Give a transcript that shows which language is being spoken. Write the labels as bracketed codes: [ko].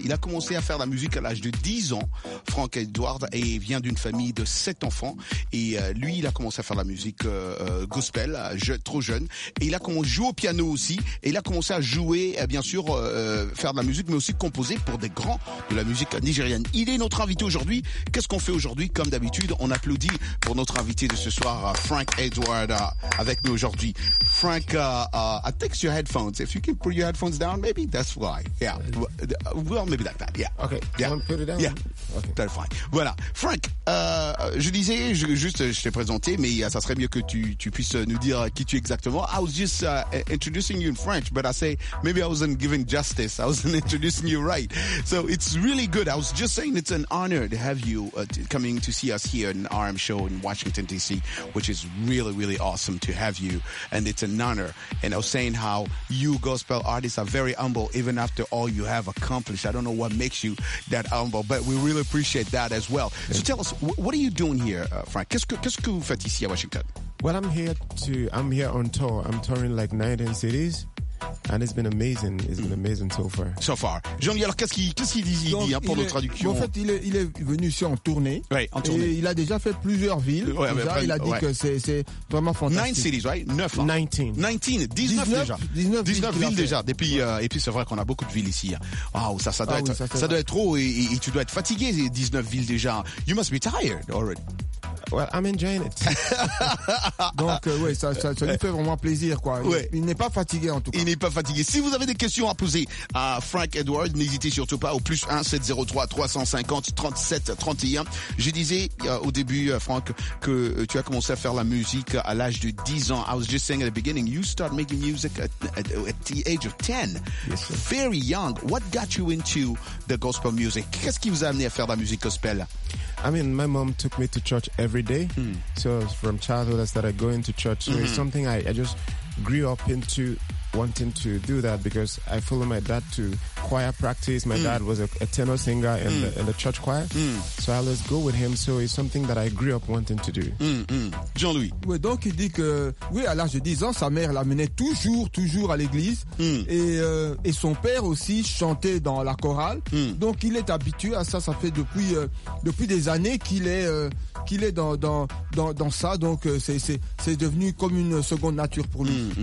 [fr] Il a commencé à faire la musique à l'âge de 10 ans, Frank Edward, et il vient d'une famille de 7 enfants, et lui, il a commencé à faire la musique gospel, trop jeune, et il a commencé à jouer au piano aussi, et il a commencé à jouer, bien sûr, faire de la musique, mais aussi composer pour des grands de la musique nigériane. Il est notre invité aujourd'hui. Qu'est-ce qu'on fait aujourd'hui? Comme d'habitude, on applaudit pour notre invité de ce soir, Frank Edward, avec nous aujourd'hui. [en] Frank, I think it's your headphones. If you can put your headphones down, maybe that's why. Yeah. Well, maybe like that. Yeah. Okay. Yeah. You want to put it down? Yeah. Okay. That's fine. [fr] Voilà. Frank, je disais, je t'ai présenté, mais ça serait mieux que tu puisses nous dire qui tu es exactement. [en] I was just introducing you in French, but I say maybe I wasn't giving justice. I wasn't introducing you right. So it's really good. I was just saying it's an honor to have you coming to see us here in RM Show in Washington, D.C., which is really, really awesome to have you. And it's an honor. And I was saying how you gospel artists are very humble, even after all you have accomplished. I don't know what makes you that humble, but we really appreciate that as well. Yeah. So tell us, what are you doing here, Frank? [fr] Qu'est-ce que vous faites ici à Washington? [en] Well, I'm here on tour. I'm touring like 19 cities, and it's been amazing. It's been amazing so far. So far. [fr] Jean-Louis, alors qu'est-ce qu'il dit, donc, hein, pour nos traductions? En fait, il est venu ici en tournée. Oui, en tournée. Et il a déjà fait plusieurs villes. Ouais, déjà, après, il a dit ouais. que c'est vraiment fantastique. [en] 9 cities, right? 9. [fr] Hein. 19 villes déjà. Depuis, ouais. Et puis c'est vrai qu'on a beaucoup de villes ici. Waouh, ça doit être trop, et tu dois être fatigué, 19 villes déjà. [en] You must be tired already. Well, I'm enjoying it. [fr] Donc, oui, ça lui fait vraiment plaisir, quoi. Ouais. Il n'est pas fatigué, en tout cas. Il n'est pas fatigué. Si vous avez des questions à poser à Frank Edward, n'hésitez surtout pas au plus 1-703-350-37-31. Je disais au début, Frank, que tu as commencé à faire la musique à l'âge de 10 ans. [en] I was just saying at the beginning, you start making music at the age of 10. Yes, sir. Very young. What got you into the gospel music? [fr] Qu'est-ce qui vous a amené à faire la musique gospel? [en] I mean, my mom took me to church every day. So from childhood, I started going to church. So it's something I just grew up into wanting to do that because I follow my dad to choir practice. My dad was a tenor singer in the church choir. So I always go with him. So it's something that I grew up wanting to do. [fr] Jean-Louis. Oui, donc il dit que, oui, à l'âge de 10 ans, sa mère l'amenait toujours à l'église. Et son père aussi chantait dans la chorale. Donc il est habitué à ça. Ça fait depuis des années qu'il est dans ça. Donc c'est devenu comme une seconde nature pour lui.